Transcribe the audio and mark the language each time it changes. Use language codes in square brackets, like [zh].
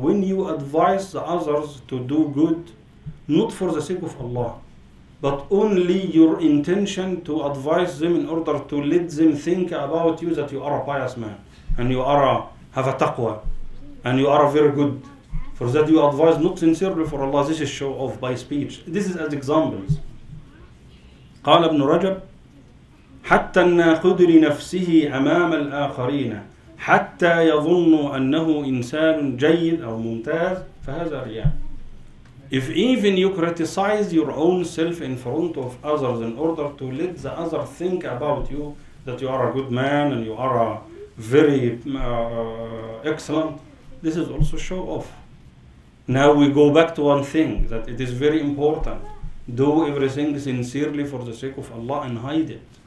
[en] When you advise the others to do good, not for the sake of Allah, but only your intention to advise them in order to let them think about you that you are a pious man and you are a, have a taqwa and you are very good. For that you advise not sincerely for Allah, this is show off by speech. This is as examples. [ar] قال ابن رجب حتى الناقد لنفسه أمام الآخرين حتى يظن أنه إنسان جيد أو ممتاز فهذا رياء. [en] If even you criticize your own self in front of others in order to let the other think about you that you are a good man and you are a very excellent, this is also show off. Now we go back to one thing, that it is very important. Do everything sincerely for the sake of Allah and hide it.